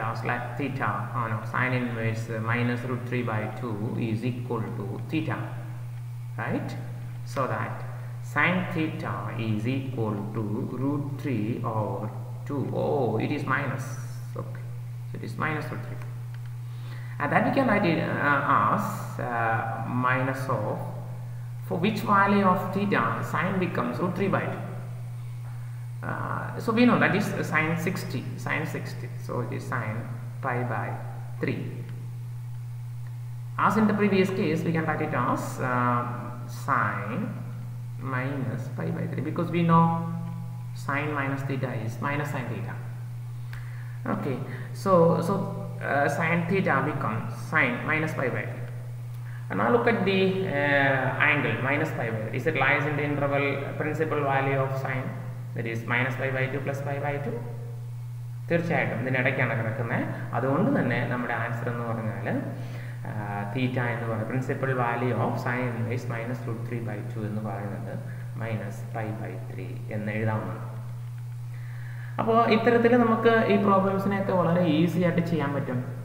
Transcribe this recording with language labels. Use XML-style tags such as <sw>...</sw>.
<en>Let sine inverse minus root 3 by 2 is equal to theta, right? So that sine theta is equal to root 3 or 2. Oh, it is minus. Okay, it is minus root 3. That we can write as minus of for which value of theta sine becomes root 3 by 2. So we know that is sine 60, so it is sine pi by 3. As in the previous case, we can write it as sine minus pi by 3, because we know sine minus theta is minus sine theta. Okay, so sine theta becomes sine minus pi by 3. Now look at the angle, minus pi by 3. Is it lies in the interval principal value of sine? That is minus pi by 2 plus pi by 2?</en> <ml>തീർച്ചയായിട്ടും ഇതിനിടയ്ക്കാണ് കിടക്കുന്നത്. അതുകൊണ്ട് തന്നെ നമ്മുടെ answer എന്ന് പറഞ്ഞാൽ തീറ്റ എന്ന് പറയുന്ന principal value of sine inverse minus root 3 by 2 എന്ന് പറയുന്നത് മൈനസ് പൈ ബൈ 3 എന്ന് എഴുതാവുന്നതാണ്. അപ്പോൾ ഇത്തരത്തിൽ നമുക്ക് ഈ പ്രോബ്ലംസിനെയൊക്കെ വളരെ ഈസി ആയിട്ട് ചെയ്യാൻ പറ്റും.</ml>